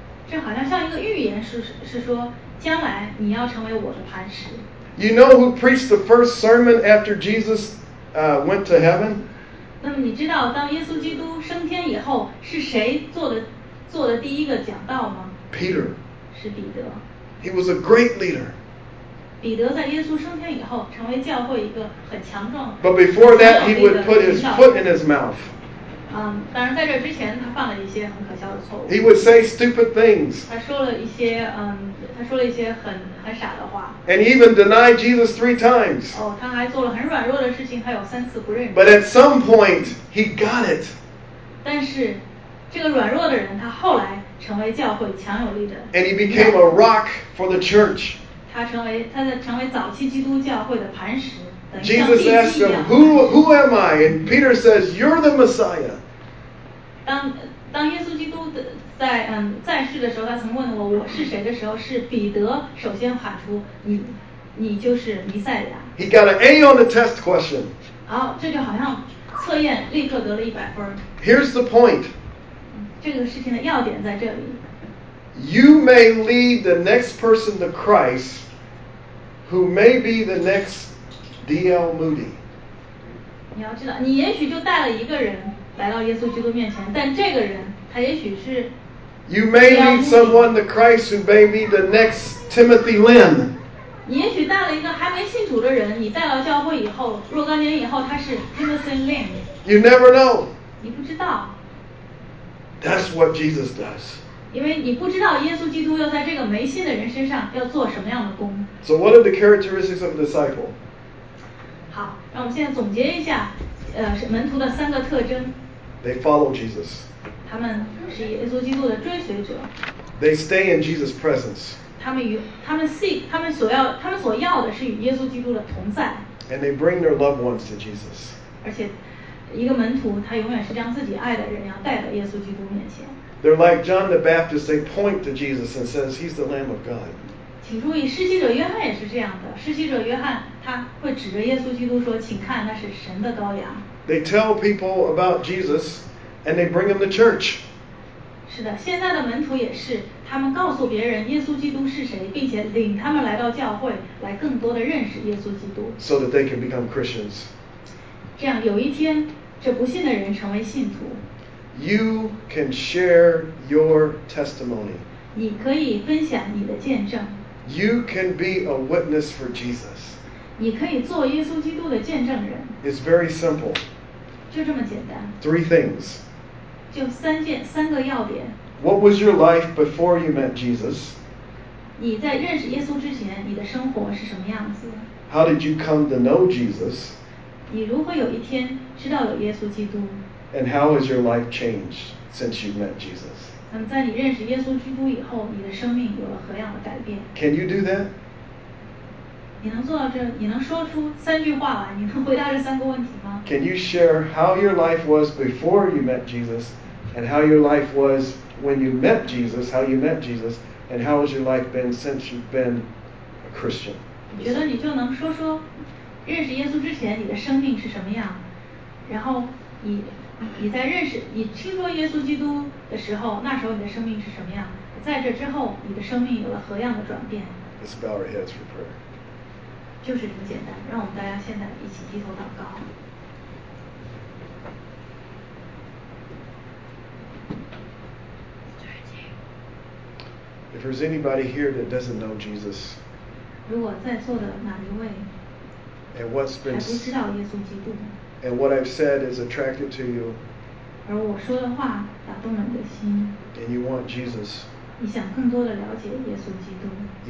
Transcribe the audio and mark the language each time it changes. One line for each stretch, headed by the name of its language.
Chinese: 这好像像一个预言，是说将来你要成为我的磐石。
English: You know who preached the first sermon after Jesus went to heaven?
Chinese: 那么你知道当耶稣基督升天以后是谁做的第一个讲道吗？
English: Peter.
Chinese: 是彼得。
English: He was a great leader.
Chinese: 彼得在耶稣升天以后成为教会一个很强壮的。
English: But before that, he would put his foot in his mouth.
Chinese: 当然在这之前他犯了一些很可笑的错误。
English: He would say stupid things.
Chinese: 他说了一些很傻的话。
English: And even denied Jesus three times.
Chinese: 他还做了很软弱的事情，他有三次不认。
English: But at some point, he got it.
Chinese: 但是这个软弱的人，他后来成为教会强有力的。
English: And he became a rock for the church.
Chinese: 他成为早期基督教会的磐石。
English: Jesus asked him, Who am I? And Peter says, You're the Messiah.
Chinese: 当耶稣基督在世的时候，他曾问我是谁的时候，是彼得首先喊出你就是弥赛亚。
English: He got an A on the test question.
Chinese: 好，这就好像测验立刻得了100分。
English: Here's the point.
Chinese: 这个事情的要点在这里。
English: You may lead the next person to Christ who may be the next D.L. Moody.
Chinese: 你要知道，你也许就带了一个人来到耶稣基督面前，但这个人他也许是。
English: You may lead someone to Christ who may be the next Timothy Lin.
Chinese: 你也许带了一个还没信主的人，你带到教会以后，若干年以后他是 Timothy Lin.
English: You never know.
Chinese: 你不知道。
English: That's what Jesus does.
Chinese: 因为你不知道耶稣基督要在这个没信的人身上要做什么样的工。
English: So what are the characteristics of a disciple?
Chinese: 好，那我们现在总结一下，是门徒的三个特征。
English: They follow Jesus.
Chinese: 他们是耶稣基督的追随者。
English: They stay in Jesus' presence.
Chinese: 他们所要的是与耶稣基督的同在。
English: And they bring their loved ones to Jesus.
Chinese: 而且一个门徒他永远是将自己爱的人要带到耶稣基督面前。
English: They're like John the Baptist, they point to Jesus and says, He's the Lamb of God.
Chinese: 请注意，施洗者约翰也是这样的。施洗者约翰他会指着耶稣基督说，请看，那是神的羔羊。
English: They tell people about Jesus and they bring him to church.
Chinese: 是的，现在的门徒也是，他们告诉别人耶稣基督是谁，并且领他们来到教会，来更多的认识耶稣基督。
English: So that they can become Christians.
Chinese: 这样有一天，这不信的人成为信徒。
English: You can share your testimony.
Chinese: 你可以分享你的见证。
English: You can be a witness for Jesus.
Chinese: 你可以做耶稣基督的见证人。
English: It's very simple.
Chinese: 就这么简单。
English: Three things.
Chinese: 就三个要点。
English: What was your life before you met Jesus?
Chinese: 你在认识耶稣之前，你的生活是什么样子？
English: How did you come to know Jesus?
Chinese: 你如何有一天知道有耶稣基督？
English: And how has your life changed since you met Jesus?
Chinese: 那么在你认识耶稣基督以后，你的生命有了何样的改变？
English: Can you do that?
Chinese: 你能做到这？你能说出三句话来？你能回答这三个问题吗？
English: Can you share how your life was before you met Jesus, and how your life was when you met Jesus, how you met Jesus, and how has your life been since you've been a Christian?
Chinese: 你觉得你就能说说认识耶稣之前你的生命是什么样？然后你听说耶稣基督的时候，那时候你的生命是什么样？在这之后，你的生命有了何样的转变？
English: Let's bow our heads for prayer.
Chinese: 就是这么简单，让我们大家现在一起低头祷告。
English: If there's anybody here that doesn't know Jesus,
Chinese: 如果在座的哪一位还不知道耶稣基督。
English: And what I've said is attracted to you.
Chinese: 而我说的话打动了你的心。
English: And you want Jesus.
Chinese: 你想更多的了解耶稣基督。